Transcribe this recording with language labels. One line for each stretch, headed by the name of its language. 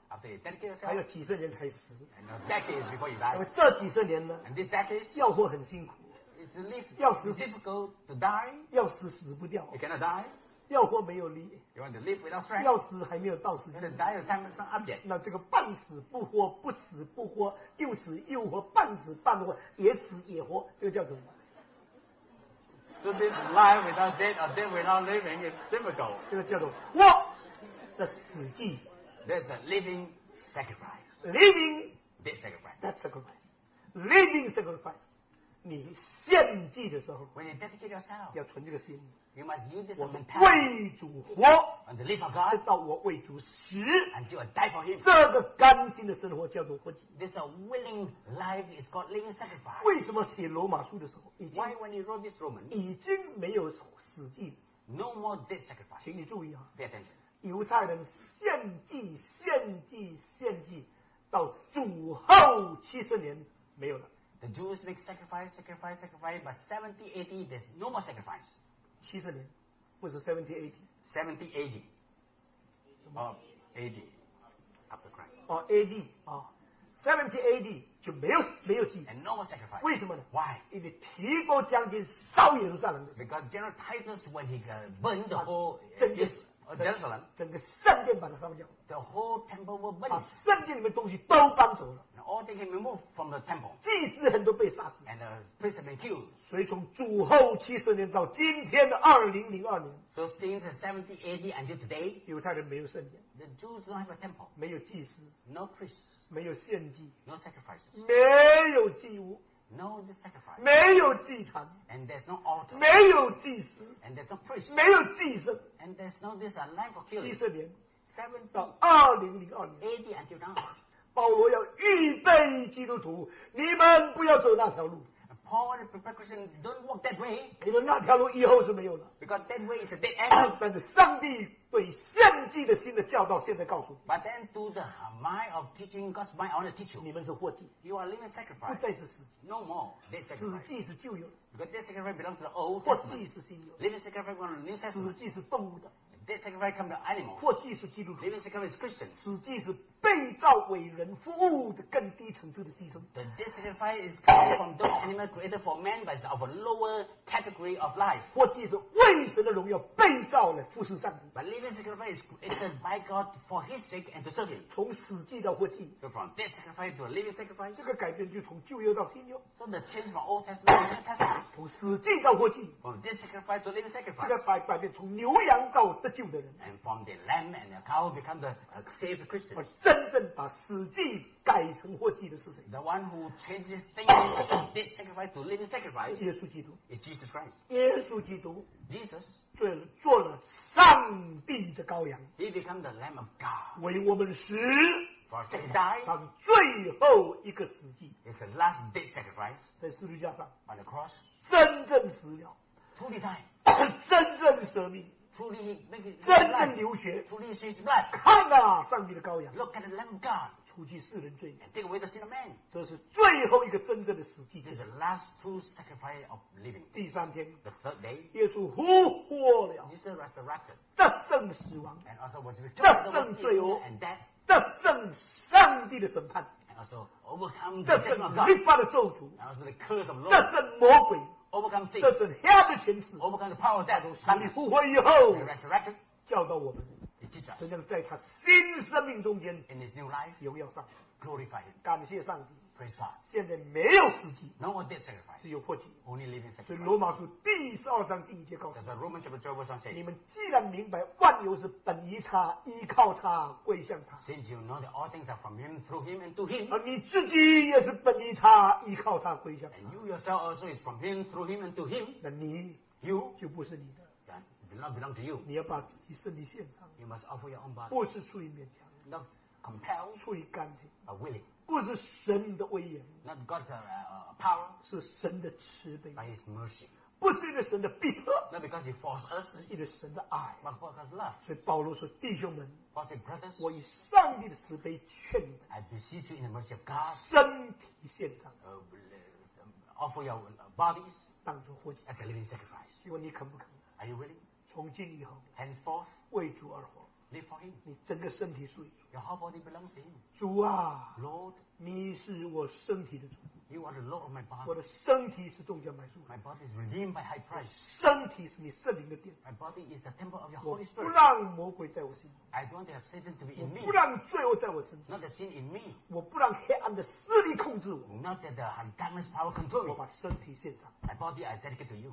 English: after you dedicate yourself,
Chinese: 还有几十年才死。
English: And a decade before you die.
Chinese: 因为这几十年呢，
English: and this decade,
Chinese: 要活很辛苦。
English: It's a life,
Chinese: 要死
English: it's difficult to die.
Chinese: 要死死不掉。
English: You cannot die.
Chinese: 要活没有力。
English: You want to live without strength.
Chinese: 要死还没有到时间。
English: And die your time is not up yet.
Chinese: 那这个半死不活，不死不活，又死又活，半死半活，也死也活，这个叫什么？
English: So this life without dead or dead without living is difficult.
Chinese: 这个叫做活的死祭。
English: That's a living sacrifice. Living dead sacrifice. That sacrifice. Living sacrifice.
Chinese: 你献祭的时候，
English: when you dedicate yourself,
Chinese: 要存这个心。
English: You must use this mentality.
Chinese: 为主活，
English: and to live for God,
Chinese: 直到我为主死，
English: and you die for Him.
Chinese: 这个甘心的生活叫做活祭。
English: This a willing life is called living sacrifice.
Chinese: 为什么写罗马书的时候，
English: Why when you wrote this Roman,
Chinese: 已经没有死祭，
English: no more dead sacrifice.
Chinese: 请你注意啊，
English: pay attention.
Chinese: 犹太人献祭，献祭，献祭，到主后七十年没有了。
English: The Jews make sacrifice, sacrifice, sacrifice, but 70 AD, there's no more sacrifice.
Chinese: 七十年，不是 70 AD.
English: 70 AD. Oh, AD. After Christ. Oh, AD. Oh. 70 AD,
Chinese: 就没有祭。
English: And no more sacrifice.
Chinese: 为什么呢？
English: Why?
Chinese: 因为提过将军烧耶路撒冷。
English: Because General Titus, when he burned the whole Jerusalem,
Chinese: 整个圣殿把它烧掉。
English: The whole temple was burned.
Chinese: 把圣殿里面东西都搬走了。
English: All they can remove from the temple.
Chinese: 祭司很多被杀死。
English: And the priests have been killed.
Chinese: 所以从主后七十年到今天的2002年。
English: So since the 70 AD until today.
Chinese: 犹太人没有圣殿。
English: The Jews don't have a temple.
Chinese: 没有祭司。
English: No priests.
Chinese: 没有献祭。
English: No sacrifices.
Chinese: 没有祭物。
English: No sacrifice.
Chinese: 没有祭坛。
English: And there's no altar.
Chinese: 没有祭司。
English: And there's no priests.
Chinese: 没有祭司。
English: And there's no this alive or killing.
Chinese: 七十年。
English: 70
Chinese: 到2002年。
English: AD until now.
Chinese: 保罗要预备基督徒，你们不要走那条路。
English: Paul and prepare Christians don't walk that way.
Chinese: 你们那条路以后是没有了。
English: Because that way is a dead end.
Chinese: 但是上帝对献祭的心的教导，现在告诉你。
English: But then to the mind of teaching, God's mind, I want to teach you.
Chinese: 你们是活祭。
English: You are living sacrifice.
Chinese: 不再是死祭。
English: No more dead sacrifice.
Chinese: 死祭是旧约。
English: Because dead sacrifice belongs to the old testament.
Chinese: 活祭是新约。
English: Living sacrifice belongs to the new testament.
Chinese: 死祭是动物的。
English: Dead sacrifice comes to animals.
Chinese: 活祭是基督徒。
English: Living sacrifice is Christian.
Chinese: 死祭是被造为人服务的更低层次的牺牲。
English: The dead sacrifice is coming from those animals created for man, but it's of a lower category of life.
Chinese: 活祭是为神的荣耀被造来服侍上帝。
English: But living sacrifice is created by God for His sake and to serve Him.
Chinese: 从死祭到活祭。
English: So from dead sacrifice to a living sacrifice.
Chinese: 这个改变就从旧约到新约。
English: So the change from Old Testament to New Testament.
Chinese: 从死祭到活祭。
English: From dead sacrifice to living sacrifice.
Chinese: 这个改变从牛羊到得救的人。
English: And from the lamb and the cow become the saved Christian.
Chinese: 真正把死祭改成活祭的是谁？
English: The one who changes things from dead sacrifice to living sacrifice.
Chinese: 耶稣基督。
English: It's Jesus Christ.
Chinese: 耶稣基督。
English: Jesus.
Chinese: 做了上帝的羔羊。
English: He became the Lamb of God.
Chinese: 为我们死。
English: For sake to die.
Chinese: 他是最后一个死祭。
English: It's the last dead sacrifice.
Chinese: 在十字架上。
English: On the cross.
Chinese: 真正死了。
English: Truly die.
Chinese: 真正舍命。
English: Truly,
Chinese: 真正流血。
English: Truly, she's blood.
Chinese: 看啊，上帝的羔羊。
English: Look at the Lamb of God.
Chinese: 除除去世人罪。
English: Take away the sin of man.
Chinese: 这是最后一个真正的实际。
English: This is the last true sacrifice of living.
Chinese: 第三天。
English: The third day.
Chinese: 耶稣复活了。
English: He said resurrected.
Chinese: 得胜死亡。
English: And also was victorious.
Chinese: 得胜罪恶。
English: And death.
Chinese: 得胜上帝的审判。
English: And also overcome the curse of God.
Chinese: 得胜律法的咒诅。
English: And also the curse of the Lord.
Chinese: 得胜魔鬼。
English: Overcome sin.
Chinese: 得胜黑暗的权势。
English: Overcome the power of death.
Chinese: 上帝复活以后。
English: And resurrected.
Chinese: 教导我们。真正在他新生命中间荣耀上
English: glorify him,
Chinese: 感谢上帝
English: praise God,
Chinese: 现在没有实际
English: no one did sacrifice,
Chinese: 只有迫切
English: only living sacrifice,
Chinese: 所以罗马书第12章第一节告诉
English: That's what Romans chapter 12 verse 1 says,
Chinese: 你们既然明白万有是本于他依靠他归向他
English: since you know that all things are from him through him and to him
Chinese: 而你自己也是本于他依靠他归向他
English: and you yourself also is from him through him and to him
Chinese: 那你
English: you,
Chinese: 就不是你的
English: Not belong to you.
Chinese: 你要把自己身体献上。
English: You must offer your own body.
Chinese: 不是出于勉强。
English: Not compelled.
Chinese: 出于甘心。
English: A willing.
Chinese: 不是神的威严。
English: Not God's power.
Chinese: 是神的慈悲。
English: By His mercy.
Chinese: 不是因为神的逼迫。
English: Not because He forced us.
Chinese: 是因为神的爱。
English: But for God's love.
Chinese: 所以保罗说，弟兄们。
English: For the brothers.
Chinese: 我以上帝的慈悲劝你们。
English: I beseech you in the mercy of God.
Chinese: 身体献上。
English: Offer your bodies.
Chinese: 当作活祭。
English: As a living sacrifice.
Chinese: 希望你肯不肯。
English: Are you willing?
Chinese: 从今以后
English: Henceforth,
Chinese: 为主而活
English: Live for him.
Chinese: 你整个身体属于主
English: Your whole body belongs to him.
Chinese: 主啊
English: Lord,
Chinese: 你是我身体的主
English: You are the Lord of my body.
Chinese: 我的身体是重价买主
English: My body is redeemed by high price.
Chinese: 身体是你圣灵的殿
English: My body is the temple of your Holy Spirit.
Chinese: 我不让魔鬼在我心
English: I don't want to have Satan to be in me.
Chinese: 我不让罪恶在我身上
English: Not the sin in me.
Chinese: 我不让黑暗的势力控制我
English: Not that the darkness power control me.
Chinese: 我把身体献上
English: My body I dedicate to you